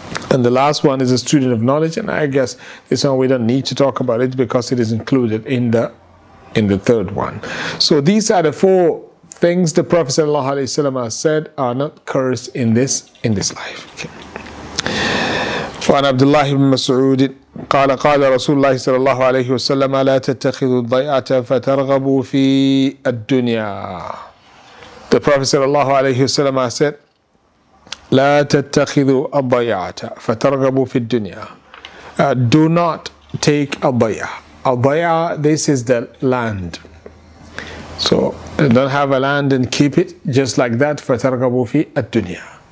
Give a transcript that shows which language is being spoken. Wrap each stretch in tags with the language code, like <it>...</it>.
<en>And the last one is a student of knowledge, and I guess this one we don't need to talk about it because it is included in the third one. So these are the four things the Prophet sallallahu alaihi wasallam has said are not cursed in this life. Okay.</en> <ar>وعن عبد الله بن مسعود قال قال رسول الله صلى الله عليه وسلم لا تتخذوا الضيعة فترغبوا في الدنيا.</ar> <en>The Prophet sallallahu alaihi wasallam has said,</en> <ar>لا تتخذوا الضيعة فترغبوا في الدنيا.</ar> <en>Do not take a baya. A baya, this is the land. So they don't have a land and keep it just like that for targhabu fi ad-dunya.</en>